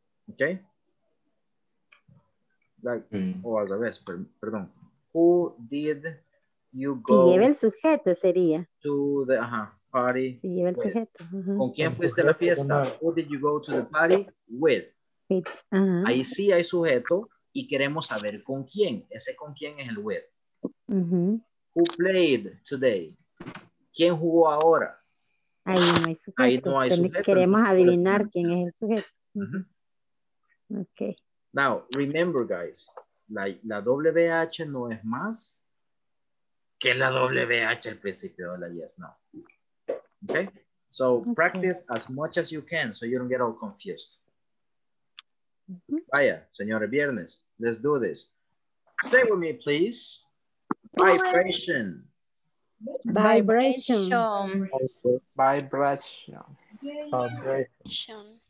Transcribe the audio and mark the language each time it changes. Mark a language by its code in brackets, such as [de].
[en] Okay. [es] Al revés, perdón. [en] Who did you go? [es] Si lleva el sujeto, sería. [en] To the party. [es] Si lleva el with. Sujeto. Uh-huh. ¿Con quién fuiste a la fiesta? [en] Who did you go to the party with? With. Uh-huh. [es] Ahí sí hay sujeto y queremos saber con quién. Ese con quién es el with. Uh-huh. [en] Who played today? [es] ¿Quién jugó ahora? Ahí no hay sujeto. Ahí no hay sujeto. Queremos adivinar quién es el sujeto. Uh-huh. Ok. [en] Now, remember, guys, [es] la WH no es más que la WH al principio de la yes, no. [en] Okay? So, okay. Practice as much as you can so you don't get all confused. Mm-hmm. [es] Vaya, señores, viernes, [en] let's do this. Say with me, please. Vibration. Vibration. Vibration.